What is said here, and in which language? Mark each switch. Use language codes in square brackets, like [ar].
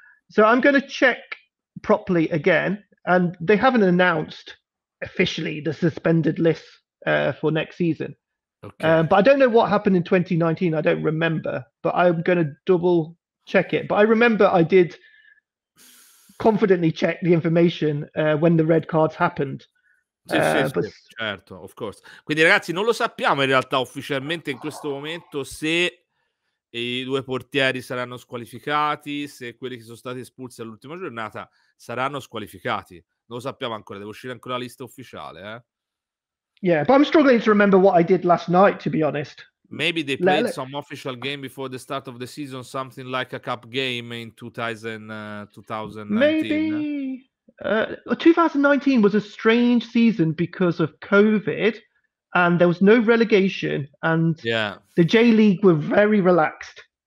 [en] So I'm going to check properly again. And they haven't announced officially the suspended list for next season. Okay. But I don't know what happened in 2019. I don't remember. But I'm going to double check it. But I remember I did confidently check the information when the red cards happened. [it] Sì, certo, [en] of course. [it] Quindi ragazzi, non lo sappiamo in realtà ufficialmente in questo momento se i due portieri saranno squalificati, se quelli che sono stati espulsi all'ultima giornata saranno squalificati. Non lo sappiamo ancora, deve uscire ancora la lista ufficiale, eh? [en] Yeah, but I'm struggling to remember what I did last night, to be honest. Maybe they played some official game before the start of the season, something like a cup game in 2019. Maybe. 2019 was a strange season because of COVID and there was no relegation, and the J League were very relaxed.